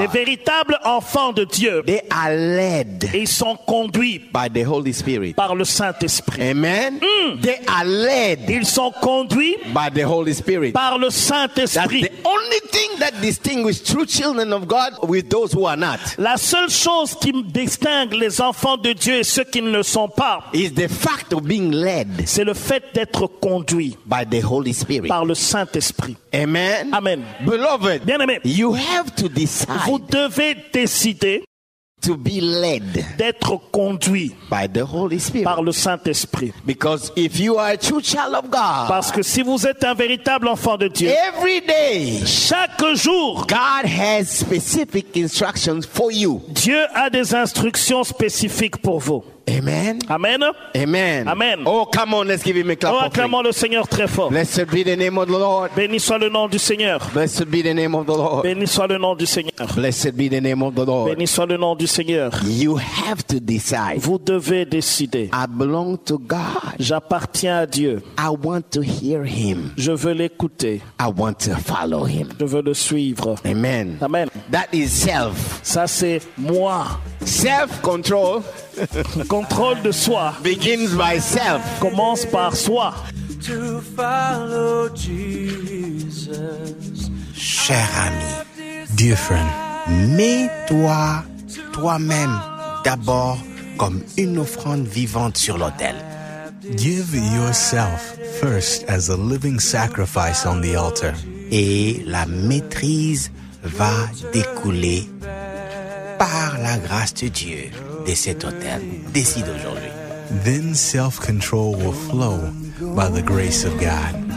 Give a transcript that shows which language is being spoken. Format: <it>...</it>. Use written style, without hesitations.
<fr>Les véritables enfants de Dieu.</fr> <en>They are led.</en> <fr>Ils sont conduits</fr> <en>by the Holy Spirit.</en> <fr>Par le Saint-Esprit.</fr> <en>Amen. Mm. They are led.</en> <fr>Ils sont conduits</fr> <en>by the Holy Spirit.</en> <fr>Par le Saint-Esprit.</fr> <en>That's the only thing that distinguishes true children of God with those who are not.</en> <fr>La seule chose qui distingue les enfants de Dieu et ceux qui ne le sont pas</fr> <en>is the fact of being led.</en> <fr>C'est le fait d'être conduit</fr> <en>by the Holy Spirit.</en> <fr>Par le Saint-Esprit.</fr> <en>Amen.</en> <fr>Amen.</fr> <en>Beloved,</en> <fr>bien-aimé,</fr> <en>you have to decide.</en> <fr>Vous devez décider</fr> <en>to be led</en> <fr>d'être conduit</fr> <en>by the Holy Spirit</en> <fr>par le Saint-Esprit</fr> <en>because if you are a true child of God</en> <fr>parce que si vous êtes un véritable enfant de Dieu</fr> <en>every day</en> <fr>chaque jour</fr> <en>God has specific instructions for you</en> <fr>Dieu a des instructions spécifiques pour vous</fr> <en>Amen.</en> <fr>Amen.</fr> <en>Amen.</en> <fr>Amen.</fr> <en>Oh, come on, let's give him a clap.</en> <fr>Oh, acclamons le Seigneur très fort.</fr> <en>Blessed be the name of the Lord.</en> <fr>Béni soit le nom du Seigneur.</fr> <en>Blessed be the name of the Lord.</en> <fr>Béni soit le nom du Seigneur.</fr> <en>Blessed be the name of the Lord.</en> <fr>Béni soit le nom du Seigneur.</fr> <en>You have to decide.</en> <fr>Vous devez décider.</fr> <en>I belong to God.</en> <fr>J'appartiens à Dieu.</fr> <en>I want to hear him.</en> <fr>Je veux l'écouter.</fr> <en>I want to follow him.</en> <fr>Je veux le suivre.</fr> <en>Amen.</en> <fr>Amen.</fr> <en>That is self.</en> <fr>Ça c'est moi.</fr> <en>Self control.</en> <fr>Contrôle de soi</fr> <en>begins by self.</en> <fr>Commence par soi.</fr> <en>To follow Jesus.</en> <fr>Cher ami,</fr> <en>dear friend,</en> <fr>mets-toi toi-même d'abord comme une offrande vivante sur l'autel.</fr> <en>Give yourself first as a living sacrifice on the altar.</en> <fr>Et la maîtrise va découler par la grâce de Dieu. De cet hôtel. Décide aujourd'hui.</fr> <en>Then self-control will flow by the grace of God.</en>